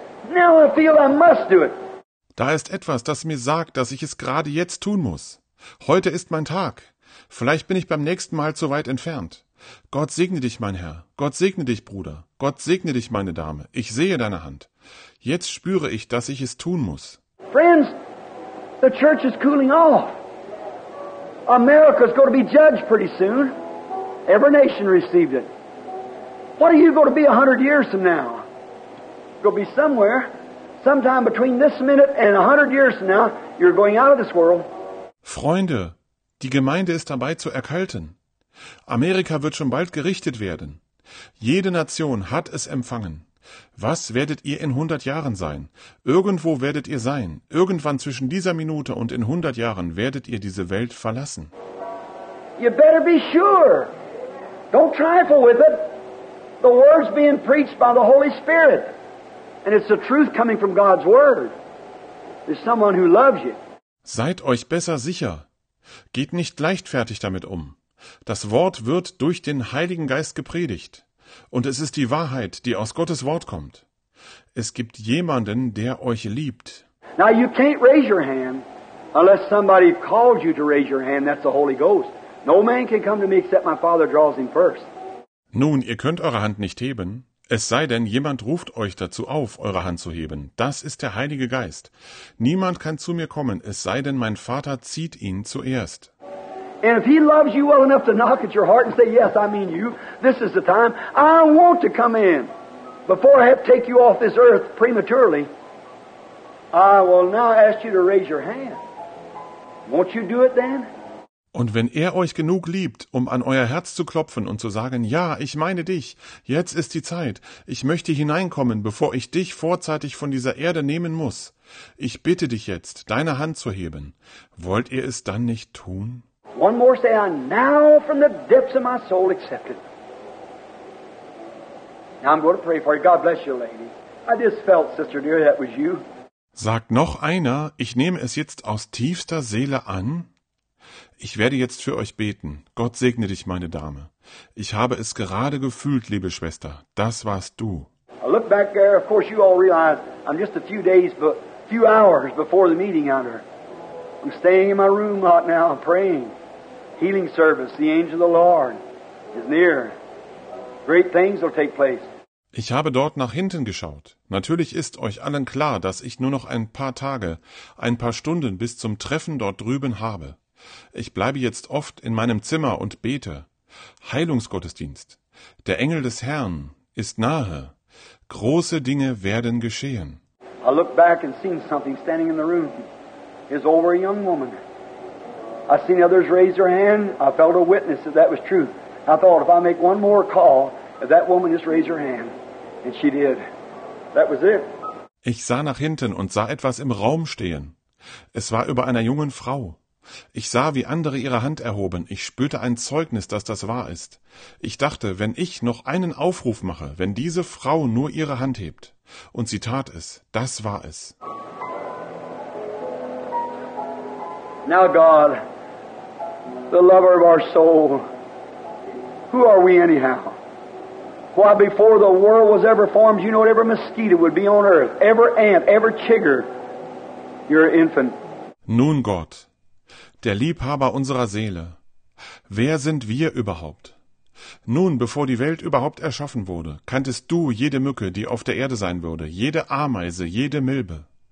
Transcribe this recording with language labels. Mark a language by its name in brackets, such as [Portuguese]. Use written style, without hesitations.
[English] Now I feel I must do it. [German] Da ist etwas, das mir sagt, dass ich es gerade jetzt tun muss. Heute ist mein Tag. Vielleicht bin ich beim nächsten Mal zu weit entfernt. Gott segne dich, mein Herr. Gott segne dich, Bruder. Gott segne dich, meine Dame. Ich sehe deine Hand. Jetzt spüre ich, dass ich es tun muss. [English] Friends, the church is cooling off. America's going to be judged pretty soon. Every nation received it. What are you going to be 100 years from now? Going to be somewhere, sometime between this minute and 100 years from now, you're going out of this world. [German] Freunde, die Gemeinde ist dabei zu erkalten. Amerika wird schon bald gerichtet werden. Jede Nation hat es empfangen. Was werdet ihr in 100 Jahren sein? Irgendwo werdet ihr sein. Irgendwann zwischen dieser Minute und in 100 Jahren werdet ihr diese Welt verlassen. [English] You better be sure. Don't trifle with it. The word's being preached by the Holy Spirit. And it's the truth coming from God's word. There's someone who loves you. [German] Seid euch besser sicher. Geht nicht leichtfertig damit um. Das Wort wird durch den Heiligen Geist gepredigt. Und es ist die Wahrheit, die aus Gottes Wort kommt. Es gibt jemanden, der euch liebt. [English] Now you can't raise your hand unless somebody called you to raise your hand. That's the Holy Ghost. No man can come to me except my Father draws him first. [German] Nun, ihr könnt eure Hand nicht heben, es sei denn, jemand ruft euch dazu auf, eure Hand zu heben. Das ist der Heilige Geist. Niemand kann zu mir kommen, es sei denn, mein Vater zieht ihn zuerst. [English] And if he loves you well enough to knock at your heart and say, yes, I mean you, this is the time, I want to come in. Before I have to take you off this earth prematurely, I will now ask you to raise your hand. Won't you do it then? [German] Und wenn er euch genug liebt, um an euer Herz zu klopfen und zu sagen, ja, ich meine dich, jetzt ist die Zeit, ich möchte hineinkommen, bevor ich dich vorzeitig von dieser Erde nehmen muss. Ich bitte dich jetzt, deine Hand zu heben. Wollt ihr es dann nicht tun? [English] One more say, I now from the depths of my soul accept it. Now I'm going to pray for you. God bless you, lady. I just felt, sister dear, that was you. [German] Sagt noch einer, ich nehme es jetzt aus tiefster Seele an. Ich werde jetzt für euch beten. Gott segne dich, meine Dame. Ich habe es gerade gefühlt, liebe Schwester. Das warst du. [English] I look back there, of course you all realize I'm just a few days, but few hours before the meeting out here. I'm staying in my room right now, I'm praying. Healing service, the angel of the Lord is near. Great things will take place. [German] Ich habe dort nach hinten geschaut. Natürlich ist euch allen klar, dass ich nur noch ein paar Tage, ein paar Stunden bis zum Treffen dort drüben habe. Ich bleibe jetzt oft in meinem Zimmer und bete. Heilungsgottesdienst. Der Engel des Herrn ist nahe. Große Dinge werden geschehen. [English] I looked back and seen something standing in the room. It's over a young woman. I seen others raise their hand. I felt a witness that that was true. I thought, if I make one more call, if that woman just raise her hand. And she did. That was it. [German] Ich sah nach hinten und sah etwas im Raum stehen. Es war über einer jungen Frau. Ich sah, wie andere ihre Hand erhoben. Ich spürte ein Zeugnis, dass das wahr ist. Ich dachte, wenn ich noch einen Aufruf mache, wenn diese Frau nur ihre Hand hebt. Und sie tat es. Das war es. [English] Now God, the lover of our soul, who are we anyhow? Why, before the world was ever formed, you know what every mosquito would be on earth, every ant, every chigger. You're an infant. [German] Nun Gott, der Liebhaber unserer Seele, wer sind wir überhaupt? Nun, bevor die Welt überhaupt erschaffen wurde, kanntest du jede Mücke, die auf der Erde sein würde, jede Ameise, jede Milbe.